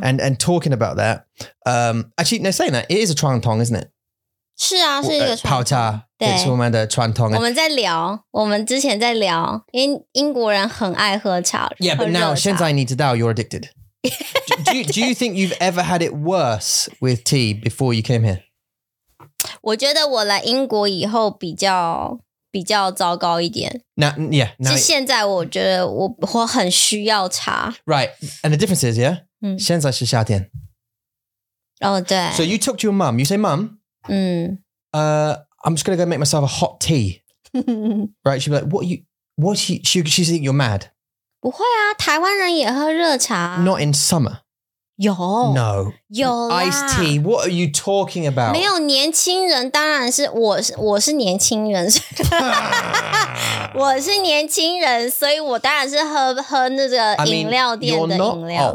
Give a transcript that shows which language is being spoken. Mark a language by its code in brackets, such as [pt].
[en] And talking about that, actually, no, saying that, it is a 传统, isn't it? [zh] 是啊，是一个泡茶，对，是我们的传统。我们在聊，我们之前在聊，因为英国人很爱喝茶。 [en] Yeah, but now, [zh] 现在你知道 [en] you're addicted. do you think you've ever had it worse with tea before you came here? [zh] 我觉得我来英国以后比较糟糕一点。 [en] Now, [zh] 是现在我觉得我很需要茶。 [en] Right, and the difference is, yeah? [zh] 现在是夏天。哦、oh, ，对。 [en] So you talk to your mom, you say, Mom,I'm just going to go make myself a hot tea. Right? She'd be like, she's thinking you're mad. [zh] 不会啊，台湾人也喝热茶。 [en] Not in summer. [zh] 有。 [en] No. [zh] 有啦。 [en] Iced tea. What are you talking about? [zh] 没有，年轻人当然是，我是年轻人。我是年轻人，所以我当然是喝那个饮料店的饮料。